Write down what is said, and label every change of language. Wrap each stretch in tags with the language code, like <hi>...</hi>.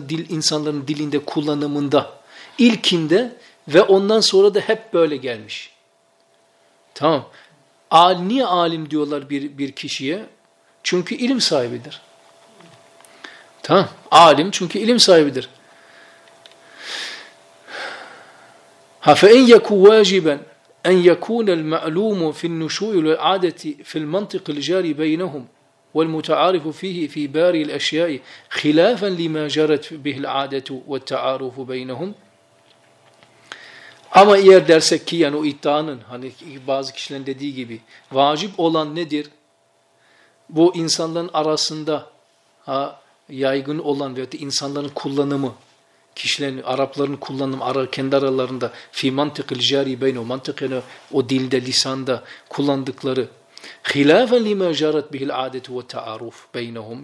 <tr>İnsanların dilinde kullanımında. İlkinde ve ondan sonra da hep böyle gelmiş. Tamam. Niye alim diyorlar bir kişiye? Çünkü ilim sahibidir. Tamam. Alim çünkü ilim sahibidir.</tr> <ar>فَاِنْ يَكُوْ وَاجِبًا اَنْ يَكُونَ الْمَعْلُومُ فِي النُّشُوءِ وَالْعَادَةِ فِي الْمَنْطِقِ الْجَارِ بَيْنَهُمْ وَالْمُتَعَارِفُ فِيهِ فِي بَارِ الْأَشْيَاءِ خِلَافًا لِمَا جَرَتْ بِهِ الْعَادَةُ وَالْتَعَارُفُ بَيْنَهُمْ</ar> <tr>Ama eğer dersek ki yani o iddianın hani bazı kişilerin dediği gibi vacip olan nedir? Bu insanların arasında yaygın olan veyahut da insanların kullanımı kişilerin, Arapların kullanımı kendi aralarında</tr> <ar>fi mantıkil cari beyno</ar> <tr>mantık yani o dilde, lisanda kullandıkları</tr> <ar>hilafen lima jarat bihil adeti ve taaruf beynehum.</ar>